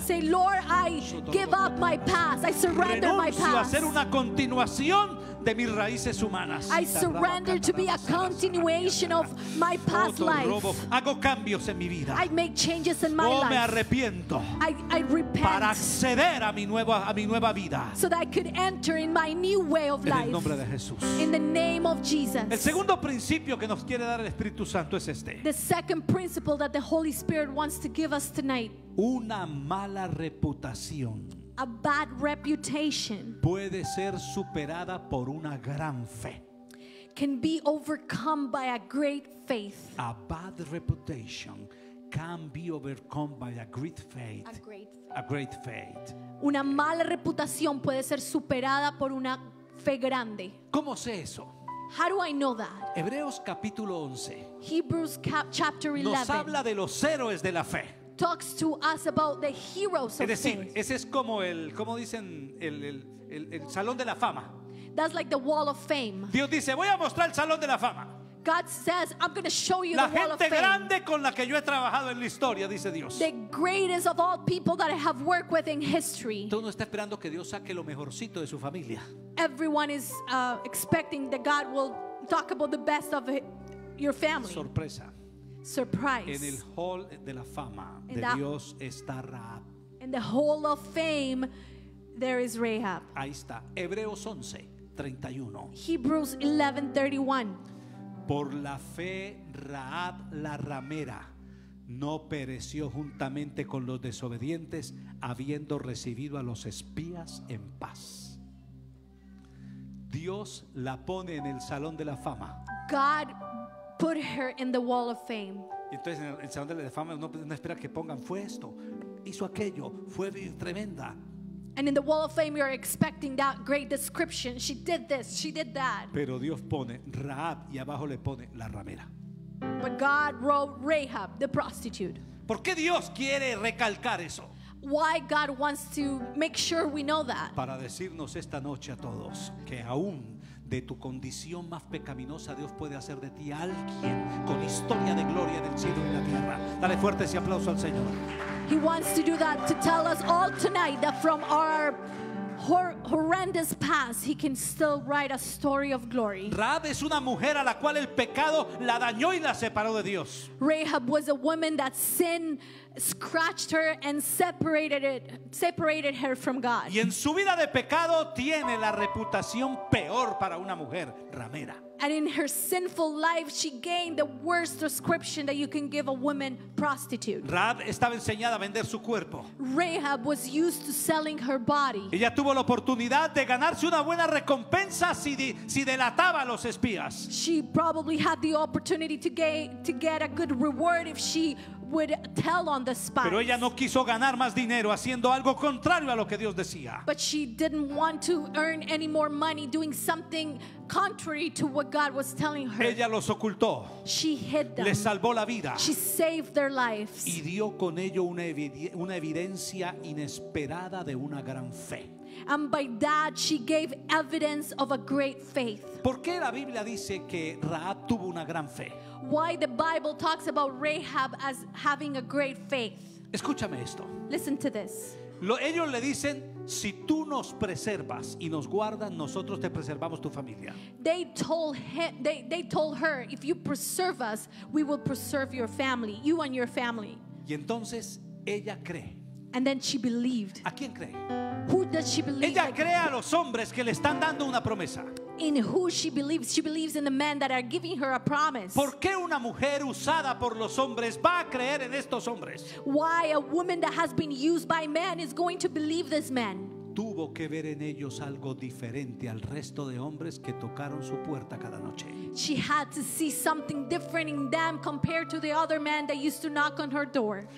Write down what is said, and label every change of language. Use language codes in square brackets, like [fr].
[en] Say, Lord, I give up my past. I surrender my past. [es] Renuncio a ser una continuación de mis raíces humanas. [en] I surrender to be a continuation of my past life. [es] Hago cambios en mi vida. [en] I make changes in my life. [es] Me arrepiento. [en] I repent. [es] Para acceder a mi nueva vida. [en] So that I could enter in my new way of life. [es] En el nombre de Jesús. [en] In the name of Jesus. [es] El segundo principio que nos quiere dar el Espíritu Santo es este. [en] The second principle that the Holy Spirit wants to give us tonight. [es] Una mala reputación. [en] A bad reputation [es] puede ser superada por una gran fe. [en] Can be overcome by a great faith. A bad reputation can be overcome by a great faith. A great faith. A great faith. [es] Una mala reputación puede ser superada por una fe grande. ¿Cómo sé eso? [en] How do I know that? [es] Hebreos capítulo 11. [en] Hebrews chapter 11. [es] Nos habla de los héroes de la fe. [en] Talks to us about the heroes of faith. [es] Es decir, ese es como el, como dicen, el salón de la fama. [en] That's like the wall of fame. [es] Dios dice, voy a mostrar el salón de la fama. [en] God says, I'm going to show you [es] la [en] the wall of fame. [es] La gente grande con la que yo he trabajado en la historia, dice Dios. [en] The greatest of all people that I have worked with in history. [es] Todo uno está esperando que Dios saque lo mejorcito de su familia. [en] Everyone is expecting that God will talk about the best of your family. [es] Sorpresa. [en] Surprise. [es] En el hall de la fama de Dios está Rahab. [en] In the hall of fame, there is Rahab. [es] Ahí está. Hebreos 11, 31. [en] Hebrews 11, 31. [es] Por la fe, Rahab la ramera no pereció juntamente con los desobedientes, habiendo recibido a los espías en paz. Dios la pone en el salón de la fama. [en] God put her in the wall of fame. [es] Entonces, en el salón de la fama, no espera que pongan, fue esto, hizo aquello, fue tremenda. [en] And in the wall of fame, you're expecting that great description. She did this, she did that. [es] Pero Dios pone Rahab y abajo le pone la ramera. [en] But God wrote Rahab, the prostitute. [es] ¿Por qué Dios quiere recalcar eso? [en] Why God wants to make sure we know that? [es] Para decirnos esta noche a todos que aún de tu condición más pecaminosa, Dios puede hacer de ti alguien con historia de gloria del cielo y la tierra. Dale fuerte ese aplauso al Señor. [en] He wants to do that, to tell us all tonight that from our horrendous past, he can still write a story of glory. [es] Rahab es una mujer a la cual el pecado la dañó y la separó de Dios. [en] Rahab was a woman that sin scratched her and separated her from God. [es] Y en su vida de pecado tiene la reputación peor para una mujer ramera. [en] And in her sinful life, she gained the worst description that you can give a woman: prostitute. [es] Rahab estaba enseñada a vender su cuerpo. [en] Rahab was used to selling her body. [es] Ella tuvo la oportunidad de ganarse una buena recompensa si delataba a los espías. [en] She probably had the opportunity to get a good reward if she would tell on the spies. [es] Pero ella no quiso ganar más dinero haciendo algo contrario a lo que Dios decía. [en] But she didn't want to earn any more money doing something contrary to what God was telling her. [es] Ella los ocultó. [en] She hid them. [es] Les salvó la vida. [en] She saved their lives. [es] Y dio con ello una evidencia inesperada de una gran fe. [en] And by that she gave evidence of a great faith. [es] ¿Por qué la Biblia dice que Rahab tuvo una gran fe? [en] Why the Bible talks about Rahab as having a great faith? [es] Escúchame esto. [en] Listen to this. [es] Ellos le dicen, si tú nos preservas y nos guardas, nosotros te preservamos tu familia. [en] They told her, if you preserve us, we will preserve your family, you and your family. [es] Y entonces ella cree. [en] And then she believed. [es] ¿A quién cree? [en] Who does she believe? [es] Ella cree a los hombres que le están dando una promesa. [en] In who she believes. She believes in the men that are giving her a promise. [es] ¿Por qué una mujer usada por los hombres va a creer en estos hombres? [en] Why a woman that has been used by men is going to believe this man? [es] Tuvo que ver en ellos algo diferente al resto de hombres que tocaron su puerta cada noche. [en] She had to see something different in them compared to the other men that used to knock on her door.